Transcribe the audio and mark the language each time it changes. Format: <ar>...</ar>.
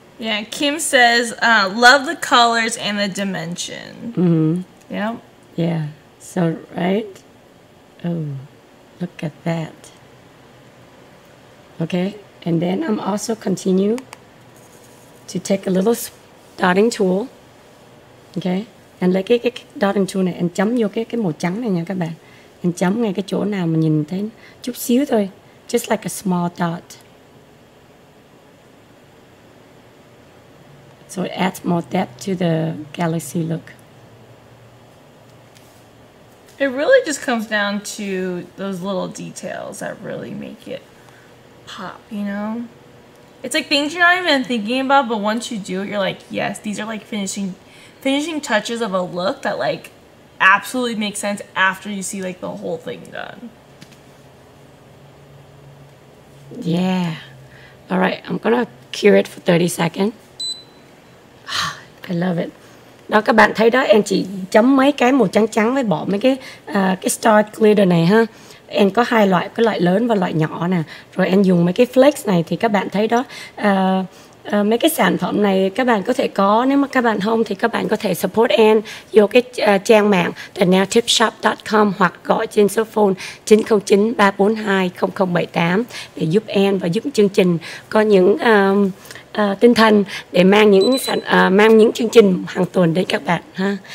<en>Yeah, Kim says, love the colors and the dimension. Mm-hmm. Yep. Yeah, so, right? Oh, look at that. Okay, and then I'm also continue to take a little dotting tool, okay?</en> <vi>And lấy cái dotting tool này, and chấm vô cái màu trắng này nha các bạn. And chấm ngay cái chỗ nào mà nhìn thấy chút xíu thôi.</vi> <en>Just like a small dot. So it adds more depth to the galaxy look. It really just comes down to those little details that really make it pop, you know? It's like things you're not even thinking about, but once you do it, you're like, yes, these are like finishing touches of a look that like absolutely makes sense after you see like the whole thing done. Yeah. All right, I'm gonna cure it for 30 seconds. I love it.</en> <vi>Đó các bạn thấy đó, em chỉ chấm mấy cái màu trắng trắng với bỏ mấy cái star glitter này ha. Em có hai loại, cái loại lớn và loại nhỏ nè. Rồi em dùng mấy cái flakes này thì các bạn thấy đó. Mấy cái sản phẩm này các bạn có thể có, nếu mà các bạn không thì các bạn có thể support em vô cái trang mạng thenailtipshop.com hoặc gọi trên số phone 909-342-0078 để giúp em và giúp chương trình có những tinh thần để mang những chương trình hàng tuần đến các bạn ha.</vi>